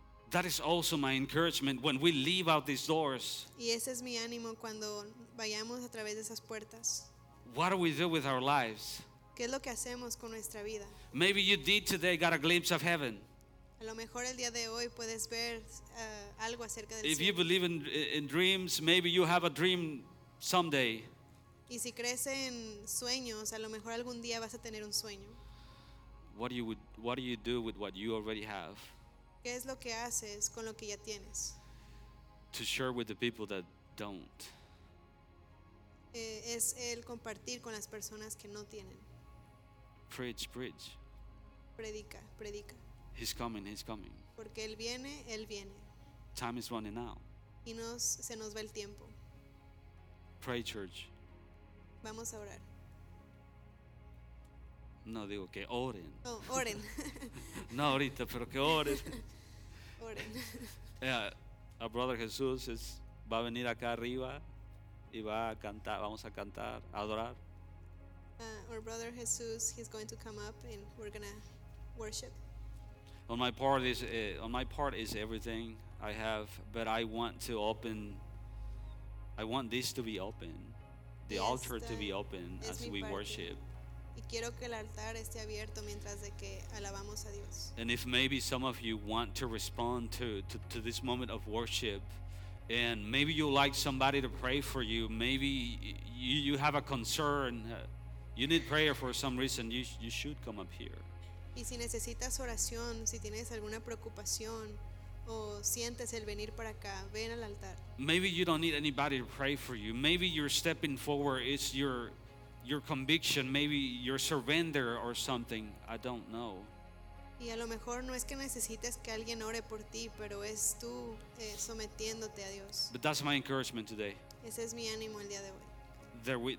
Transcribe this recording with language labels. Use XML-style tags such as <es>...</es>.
<en>That is also my encouragement when we leave out these doors.</en> <es>Y ese es mi ánimo cuando vayamos a través de esas puertas.</es> <en>What do we do with our lives?</en> <es>¿Qué es lo que hacemos con nuestra vida?</es> <en>Maybe you did today got a glimpse of heaven.</en> <es>A lo mejor el día de hoy puedes ver algo acerca del cielo.</es> <en>If you believe in dreams, maybe you have a dream someday.</en> <es>Y si crees en sueños, a lo mejor algún día vas a tener un sueño.</es> <en>What do you do with what you already have?</en> <es>¿Qué es lo que haces con lo que ya tienes?</es> <en>To share with the people that don't.</en> <es>Es el compartir con las personas que no tienen.</es> <en>Preach, preach.</en> <es>Predica, predica.</es> <en>He's coming, he's coming.</en> <es>Porque él viene, él viene.</es> <en>Time is running out.</en> <es>Y se nos va el tiempo.</es> <en>Pray, church.</en> <es>Vamos a orar. No digo que oren. Oh, oren. No ahorita, pero que oren. Oren. Yeah, a brother Jesús va a venir acá arriba y va a cantar, vamos a cantar, a adorar.</es> <en>Our brother Jesús, he's going to come up and we're going to worship. On my part is everything I have, but I want this to be open. The altar to be open as we worship.</en> <es>Y quiero que el altar esté abierto mientras de que alabamos a Dios.</es> <en>And if maybe some of you want to respond to this moment of worship, and maybe you like somebody to pray for you, maybe you have a concern, you need prayer for some reason, you should come up here.</en> <es>Y si necesitas oración, si tienes alguna preocupación o sientes el venir para acá, ven al altar.</es> <en>Maybe you don't need anybody to pray for you. Maybe you're stepping forward, it's your conviction, maybe your surrender or something, I don't know.</en> <es>Y a lo mejor no es que necesites que alguien ore por ti, pero es tú sometiéndote a Dios.</es> <en>But that's my encouragement today.</en> <es>Ese es mi ánimo el día de hoy.</es>